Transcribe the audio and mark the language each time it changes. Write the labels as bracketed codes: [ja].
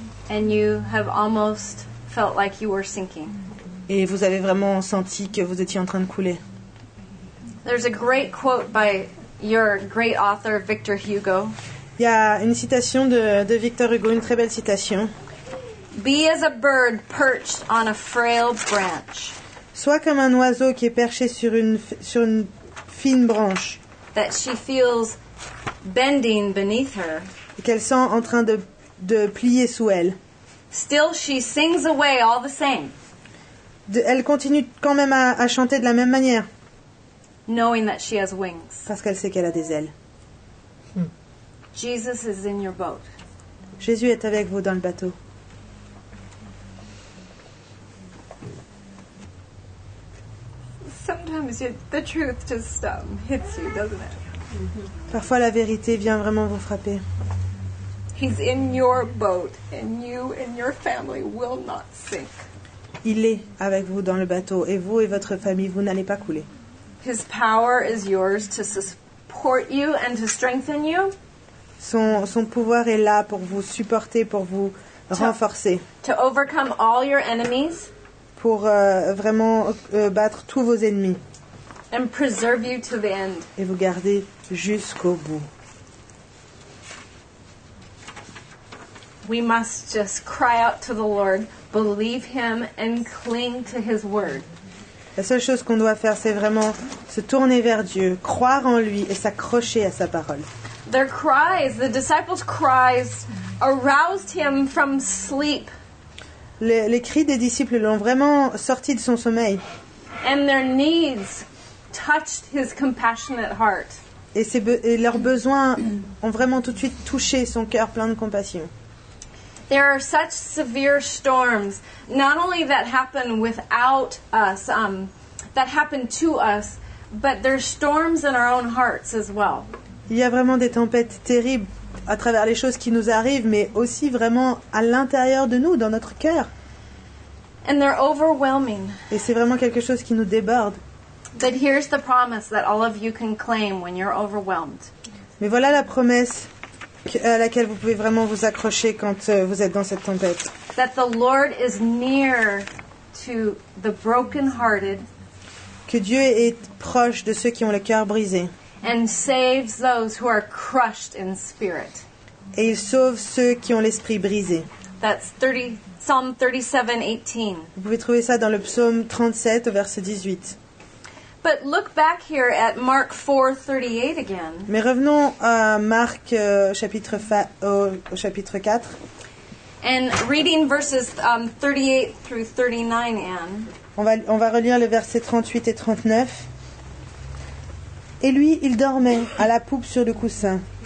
[en] And you have almost felt like you were sinking. [fr] Et vous avez vraiment senti que vous étiez en train de couler. [en] There's a great quote by your great author Victor Hugo. [fr] Il y a une citation de Victor Hugo, une très belle citation. [en] Be as a bird perched on a frail branch. [fr] Sois comme un oiseau qui est perché sur une fine branche. [en] That she feels bending beneath her. [fr] Et qu'elle sent en train de plier sous elle. [en] Still she sings away all the same. [fr] Elle continue quand même à chanter de la même manière. [en] Knowing that she has wings. [fr] Parce qu'elle sait qu'elle a des ailes. [en] Jesus is in your boat. [fr] Jésus est avec vous dans le bateau. [en] Sometimes the truth just hits you, doesn't it? [fr] Parfois la vérité vient vraiment vous frapper. [en] He's in your boat, and you and your family will not sink. [fr] Il est avec vous dans le bateau, et vous et votre famille, vous n'allez pas couler. [en] His power is yours to support you and to strengthen you. [fr] Son pouvoir est là pour vous supporter, pour vous renforcer. [en] To overcome all your enemies. [fr] Pour vraiment battre tous vos ennemis. [en] And preserve you to the end. [fr] Et vous garder jusqu'au bout. [en] We must just cry out to the Lord, believe him and cling to his word. [fr] La seule chose qu'on doit faire, c'est vraiment se tourner vers Dieu, croire en lui et s'accrocher à sa parole. [en] Their cries, the disciples' cries, aroused him from sleep. [fr] Les cris des disciples l'ont vraiment sorti de son sommeil. [en] And their needs touched his compassionate heart. [fr] Et leurs besoins ont vraiment tout de suite touché son cœur plein de compassion. [en] There are such severe storms, not only that happen without us, that happen to us, but there are storms in our own hearts as well. [fr] Il y a vraiment des tempêtes terribles à travers les choses qui nous arrivent, mais aussi vraiment à l'intérieur de nous, dans notre cœur. [en] And they're overwhelming. [fr] Et c'est vraiment quelque chose qui nous déborde. [en] But here's the promise that all of you can claim when you're overwhelmed. [fr] Mais voilà la promesse à laquelle vous pouvez vraiment vous accrocher quand vous êtes dans cette tempête. [en] That the Lord is near to the brokenhearted. [fr] Que Dieu est proche de ceux qui ont le cœur brisé. [en] And saves those who are crushed in spirit. [fr] Et il sauve ceux qui ont l'esprit brisé. [en] That's Psalm 37, 18. [fr] Vous pouvez trouver ça dans le psaume 37, au verset 18. [en] But look back here at Mark 4, 38 again. [fr] Mais revenons à Marc au chapitre 4. [en] And reading verses 38 through 39, Anne. [fr] On va relire les versets 38 et 39. Et lui, il dormait à la poupe sur le coussin.